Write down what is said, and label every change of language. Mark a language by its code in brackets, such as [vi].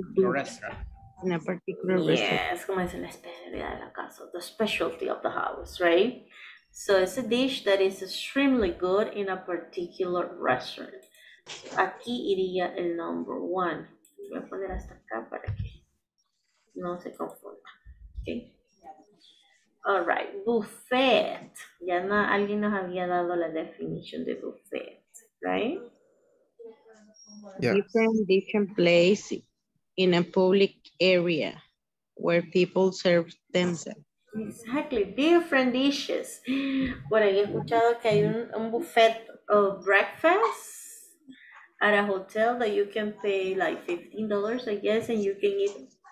[en] That is extremely good in a particular restaurant. In a particular restaurant. Yes, [es] como es la especialidad de la casa, [en] the specialty of the house, right? So it's a dish that is extremely good in a particular restaurant. [es] So aquí iría el number one. Voy a poner hasta acá para que no se confunda. Okay. [en] All right, [es] buffet. Ya no, alguien nos había dado la definición de buffet. [en] Right? Yeah. Different place in a public area where people serve themselves. Exactly, different dishes. [es] Por ahí he escuchado que hay [en] un buffet of breakfast at a hotel that you can pay like $15, I guess, and you can eat